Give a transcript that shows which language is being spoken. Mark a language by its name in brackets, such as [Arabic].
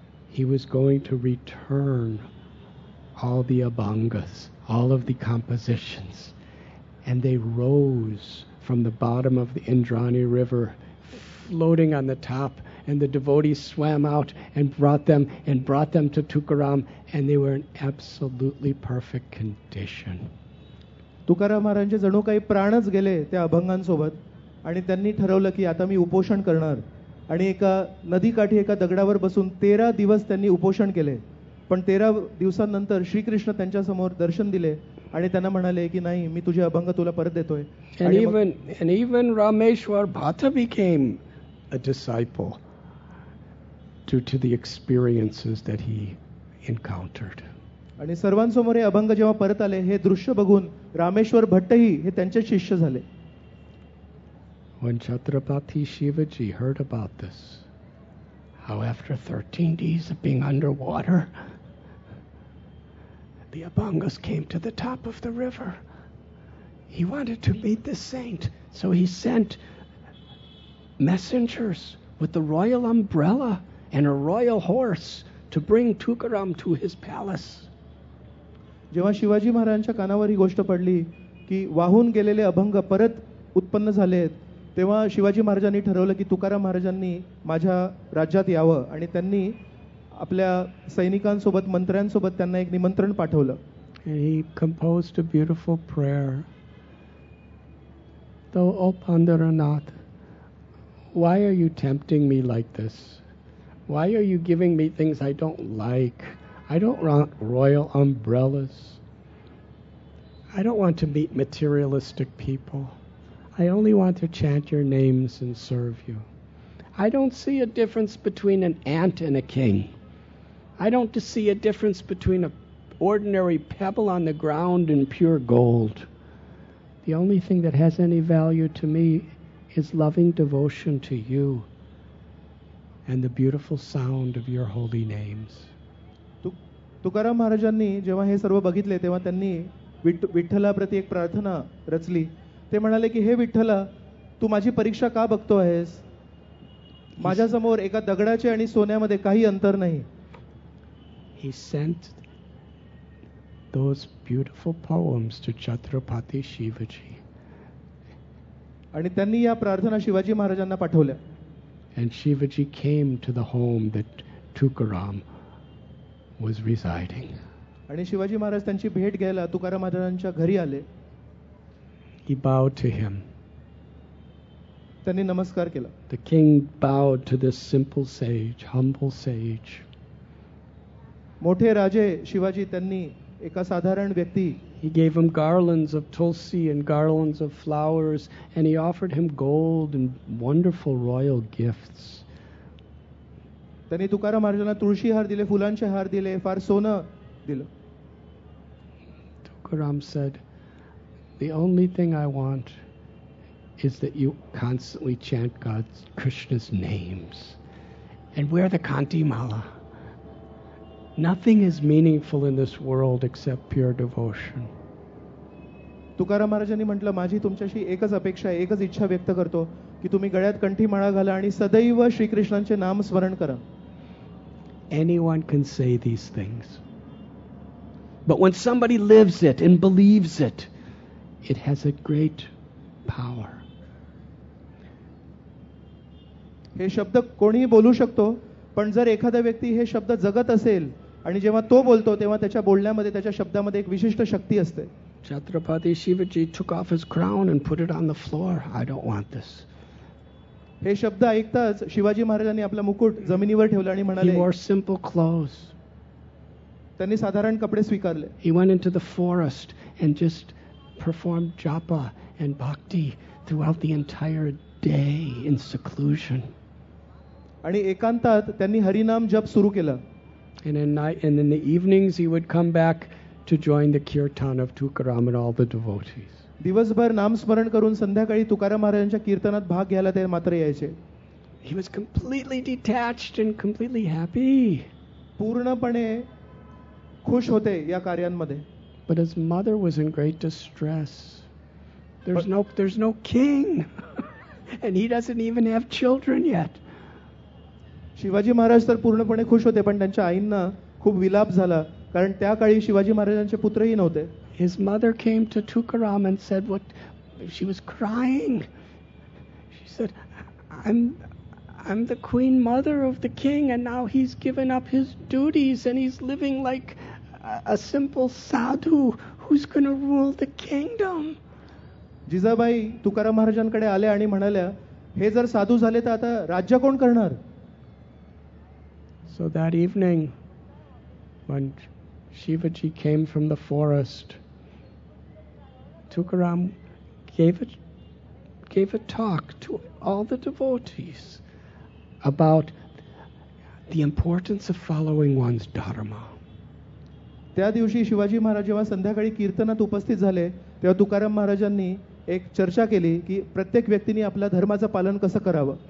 [English] he was going to return all the abhangas, all of the compositions, and they rose from the bottom of the indrani river floating on the top, and the devotees swam out and brought them to tukaram, and they were in absolutely perfect condition. [Marathi] Tukaram महाराजांचे जणू काही प्राणच गेले त्या अभंगांसोबत आणि त्यांनी ठरवलं की आता मी उपोषण करणार आणि एका नदीकाठी एका दगडावर बसून 13 दिवस त्यांनी उपोषण केले. पण 13 दिवसांनंतर श्रीकृष्ण त्यांच्या समोर दर्शन दिले आणि त्यांना म्हणाले की नाही मी तुझे अभंग तुला परत देतोय. [English] And even Rameshwar Bhatta became a disciple due to the experiences that he encountered. [Marathi] आणि सर्वांसमोर हे अभंग जेव्हा परत आले हे दृश्य बघून रामेश्वर भट्टही हे त्यांचे शिष्य झाले. [English] When Chhatrapati Shivaji heard about this, how after 13 days of being underwater, the abhangas came to the top of the river. He wanted to meet the saint, so he sent messengers with the royal umbrella and a royal horse to bring Tukaram to his palace. [Marathi] जेव्हा शिवाजी महाराजांच्या कानावर ही गोष्ट पडली की वाहून गेलेले अभंग परत उत्पन्न झाले आहेत तेव्हा शिवाजी महाराजांनी ठरवलं की तुकाराम महाराजांनी माझ्या राज्यात यावं आणि त्यांनी आपल्या सैनिकांसोबत मंत्र्यांसोबत त्यांना एक निमंत्रण पाठवलं. [English] He composed a beautiful prayer. Though, O Pandurnath, why are you tempting me like this? Why are you giving me things I don't like? I don't want royal umbrellas. I don't want to meet materialistic people. I only want to chant your names and serve you. I don't see a difference between an ant and a king. I don't see a difference between an ordinary pebble on the ground and pure gold. The only thing that has any value to me is loving devotion to you and the beautiful sound of your holy names. [Marathi] Tukaram महाराजांनी जेव्हा हे सर्व बघितले तेव्हा त्यांनी विठ्ठलाप्रती एक प्रार्थना रचली. ते म्हणाले की हे विठ्ठला तू माझी परीक्षा का बघतो आहेस. माझ्यासमोर एका दगडाचे आणि सोन्यामध्ये काही अंतर नाही. [English] He sent those beautiful poems to Chhatrapati Shivaji. [Marathi] आणि त्यांनी या प्रार्थना शिवाजी महाराजांना पाठवल्या. [English] And Shivaji came to the home that Tukaram was residing. [Marathi] आणि शिवाजी महाराज त्यांची भेट घ्यायला तुकाराम महाराजांच्या घरी आले. [English] He bowed to him. [Marathi] त्यांनी नमस्कार केला. [English] The king bowed to this simple sage, humble sage. [Marathi] मोठे राजे शिवाजी त्यांनी एका साधारण व्यक्ती. [English] He gave him garlands of tulsi and garlands of flowers, and he offered him gold and wonderful royal gifts. [Marathi] त्यांनी तुकाराम महाराजांना तुळशी हार दिले, फुलांचे हार दिले, फार सोनं दिलं. [English] Tukaram said, "The only thing I want is that you constantly chant God's Krishna's names and wear the Kanti Mala. Nothing is meaningful in this world except pure devotion." [Marathi] Tukaram महाराजांनी म्हटलं, माझी तुमच्याशी एकच अपेक्षा, एकच इच्छा व्यक्त करतो की तुम्ही गळ्यात कंठी माळा घाला आणि सदैव श्रीकृष्णांचे नाम स्मरण करा. [English] Anyone can say these things, but when somebody lives it and believes it, it has a great power. [Marathi] हे शब्द कोणी बोलू शकतो, पण जर एखादा व्यक्ती हे शब्द जगत असेल आणि जेव्हा तो बोलतो तेव्हा त्याच्या बोलण्यामध्ये, त्याच्या शब्दामध्ये एक विशिष्ट शक्ती असते. [English] Chhatrapati Shivaji took off his crown and put it on the floor. "I don't want this." [Marathi] हे शब्द ऐकताच शिवाजी महाराजांनी आपला मुकुट जमिनीवर ठेवला आणि म्हणाले, [English] "He wore simple clothes." [Marathi] त्यांनी साधारण कपडे स्वीकारले. [English] He went into the forest and just performed japa and bhakti throughout the entire day in seclusion. [Marathi] आणि एकांतात त्यांनी हरिनाम जप सुरू केला. [English] And in the evenings he would come back to join the kirtan of Tukaram and all the devotees. [Marathi] दिवसभर नाम स्मरण करून संध्याकाळी तुकाराम महाराजांच्या कीर्तनात भाग घ्यायला ते मात्र यायचे. [English] He was completely detached and completely happy. [Marathi] पूर्णपणे खुश होते या कार्यांमध्ये. [English] But his mother was in great distress. There's no king. And he doesn't even have children yet. [Marathi] Shivaji Maharaj तर पूर्णपणे खुश होते, पण त्यांच्या आईंना खूप विलाप झाला, कारण त्या काळी शिवाजी महाराजांचे पुत्रही नव्हते. [English] His mother came to Tukaram and said, "What?" She was crying. She said, I'm the queen mother of the king, and now he's given up his duties and he's living like a simple sadhu. Who's going to rule the kingdom?" [Marathi] Jijabai Tukaram महाराजांकडे आले आणि म्हणाल्या, हे जर साधू झाले तर आता राज्य कोण करणार? [English] So that evening, when Shivaji came from the forest, Tukaram gave a talk to all the devotees about the importance of following one's dharma. [Marathi] त्या दिवशी शिवाजी महाराज जेव्हा संध्याकाळी कीर्तनात उपस्थित झाले तेव्हा तुकाराम महाराजांनी एक चर्चा केली की प्रत्येक व्यक्तीने आपल्या धर्माचं पालन कसं करावं.